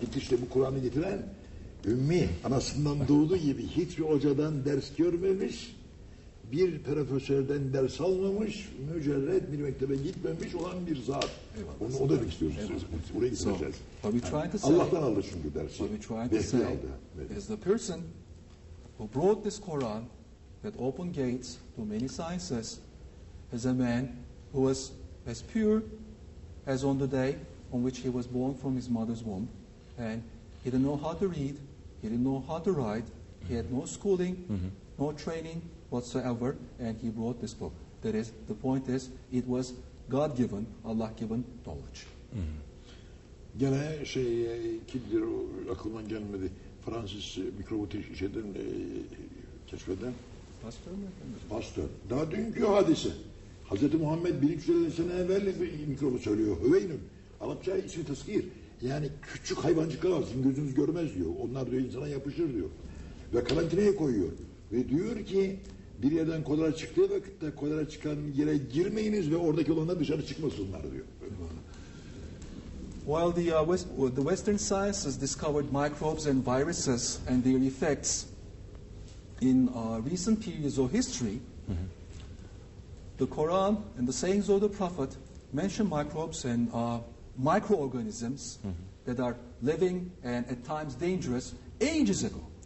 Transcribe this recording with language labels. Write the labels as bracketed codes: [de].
[tr] Gitti işte bu Kur'an'ı getiren ümmi, anasından doğduğu gibi hiçbir hocadan ders görmemiş. bir profesörden ders almamış, mücerred bir mektebe gitmemiş olan bir zat. Eyvallah, onu o da demek istiyoruz. Eyvallah. Buraya gideceğiz. So, yani, Allah'tan aldı çünkü dersi. [en] What we tried to say is the person who brought this Quran that opened gates to many sciences is a man who was as pure as on the day on which he was born from his mother's womb, and he didn't know how to read, he didn't know how to write, he had no schooling, no training whatsoever, and he wrote this book. That is, the point is, it was God-given, Allah-given knowledge. [tr] Gene şey, kimdir o, aklıma gelmedi, Francis mikrobotik şeyden, keşfeden? Pastör mü? Pastör. Daha dünkü hadise. Hazreti Muhammed 1300 sene evvel mikrobu söylüyor, Hüveynün. Arapça ismi tıskir. Yani küçük hayvancıklar var, sizin gözünüz görmez diyor. Onlar diyor insana yapışır diyor. Ve karantinaya koyuyor. Ve diyor ki bir yerden kolera çıktığı vakitte kolera çıkan yere girmeyiniz ve oradaki olanlar dışarı çıkmasınlar diyor. [en] While the Western sciences discovered microbes and viruses and their effects in recent periods of history, the Quran and the sayings of the Prophet mention microbes and microorganisms that are living and at times dangerous ages ago.